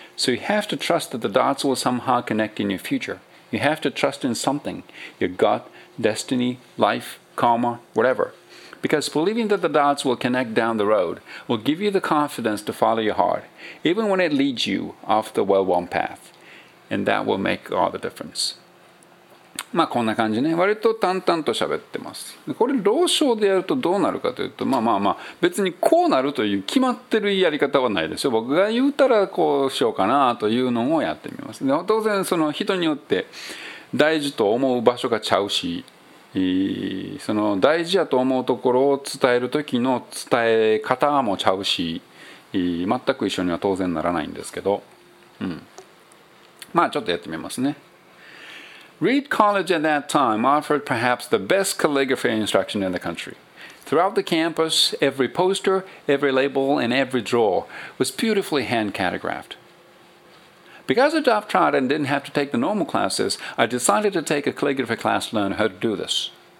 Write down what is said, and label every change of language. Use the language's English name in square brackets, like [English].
[English] So you have to trust that the dots will somehow connect in your future. You have to trust in something. Your gut, destiny, life, karma, whatever. Because believing that the dots will connect down the road will give you the confidence to follow your heart, even when it leads you off the well-worn path. And that will make all the difference. [Japanese] まあこんな感じね、割と淡々と喋ってます。これ老少でやるとどうなるかというと、まあまあまあ別にこうなるという決まってるやり方はないですよ。僕が言うたらこうしようかなというのをやってみます。で当然その人によって大事と思う場所がちゃうし、その大事やと思うところを伝える時の伝え方もちゃうし、全く一緒には当然ならないんですけど、うん、まあちょっとやってみますね。 [English] Reed College at that time offered perhaps the best calligraphy instruction in the country. Throughout the campus, every poster, every label, and every drawer was beautifully hand-calligraphed. Because I dropped out and didn't have to take the normal classes, I decided to take a calligraphy class to learn how to do this.